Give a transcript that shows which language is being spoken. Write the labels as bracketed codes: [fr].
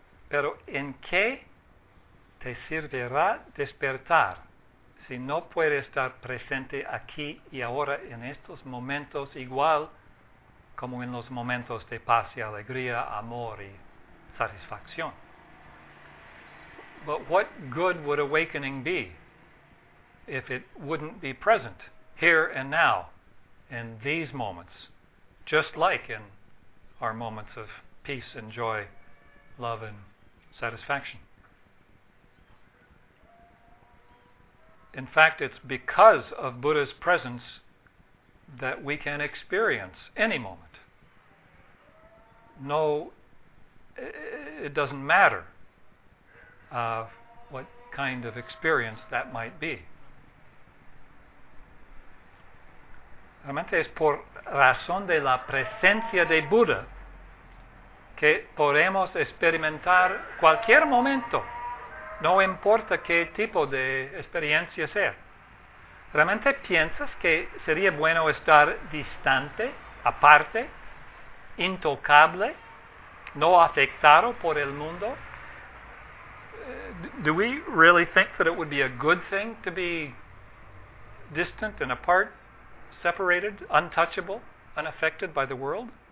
[es] Pero ¿en qué te servirá despertar si no puedes estar presente aquí y ahora en estos momentos, igual como en los momentos de paz y alegría, amor y satisfacción? [en] But what good would awakening be if it wouldn't be present here and now in these moments, just like in our moments of peace and joy, love and satisfaction? In fact, it's because of Buddha's presence that we can experience any moment. No, it doesn't matter what kind of experience that might be. [es] Realmente es por razón de la presencia de Buda que podemos experimentar cualquier momento, no importa qué tipo de experiencia sea. ¿Realmente piensas que sería bueno estar distante, aparte, intocable, no afectado por el mundo? [en] Do we really think that it would be a good thing to be distant and apart, separated, untouchable, unaffected by the world?